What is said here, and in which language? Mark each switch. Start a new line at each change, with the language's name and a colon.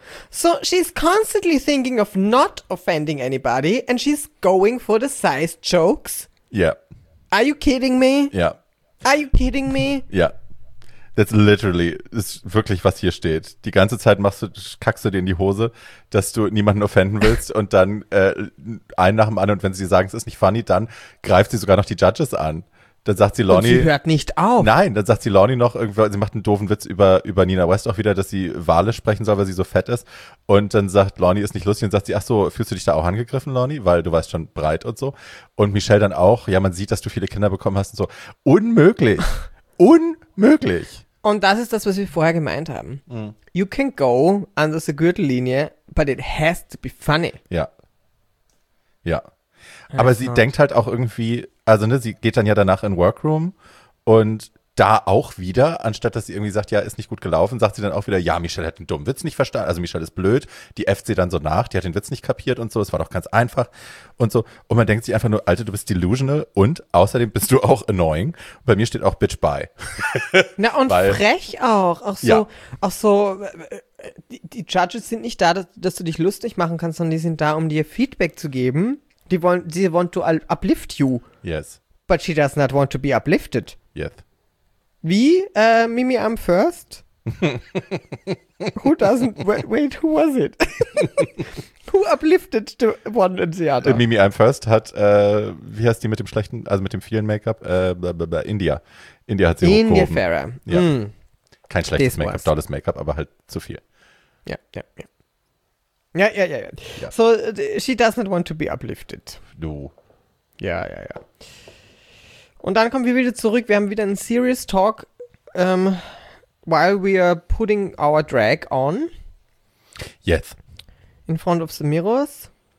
English: So she's constantly thinking of not offending anybody and she's going for the size jokes? Yeah. Are you kidding me? Yeah. Are you kidding me? Yeah. That's literally,
German: ist wirklich, was hier steht. Die ganze Zeit kackst du dir in die Hose, dass du niemanden offenden willst und dann einen nach dem anderen und wenn sie sagen, es ist nicht funny, dann greift sie sogar noch die Judges an. Dann sagt sie Lonnie. Und sie hört nicht auf. Nein, dann sagt sie Lonnie noch irgendwie, sie macht einen doofen Witz über Nina West auch wieder, dass sie Wale sprechen soll, weil sie so fett ist. Und dann sagt Lonnie, ist nicht lustig. Und sagt sie, ach so, fühlst du dich da auch angegriffen, Lonnie? Weil du warst schon breit und so. Und Michelle dann auch, ja, man sieht, dass du viele Kinder bekommen hast und so. Unmöglich. Unmöglich. Und das ist das, was wir vorher gemeint haben. Mm.
English: You can go under the Gürtellinie, but it has to be funny.
German: Ja. Ja. Aber sie denkt halt auch irgendwie, also ne, sie geht dann ja danach in Workroom und da auch wieder, anstatt dass sie irgendwie sagt, ja, ist nicht gut gelaufen, sagt sie dann auch wieder, ja, Michelle hat den dummen Witz nicht verstanden, also Michelle ist blöd, die äfft sie dann so nach, die hat den Witz nicht kapiert und so, es war doch ganz einfach und so. Und man denkt sich einfach nur, Alter, du bist delusional und außerdem bist du auch annoying. Und bei mir steht auch
English: Bitch, bye.
German: Na und weil, frech auch so, ja. Auch so, die Judges sind nicht da, dass du dich lustig machen kannst, sondern die sind da, um dir Feedback zu geben. Sie
English: want to uplift you. Yes. But she does not want to be uplifted. Yes.
German: Wie?
English: Mimi, I'm first? Wait, who was it? Who uplifted the one in the other?
German: Mimi,
English: I'm first
German: hat, wie heißt die mit dem schlechten, also mit dem vielen Make-up? India. India hat sie hochgehoben. India Farah. Ja. Mm. Kein schlechtes This Make-up, was. Dolles Make-up, aber halt zu viel. Ja, ja, ja. Ja, ja, ja, ja.
English: So, she does not want to be uplifted. No.
German: Ja, ja, ja. Und dann kommen wir wieder zurück. Wir haben wieder einen
English: Serious Talk, while we are putting our drag on. Yes. In front of the mirrors.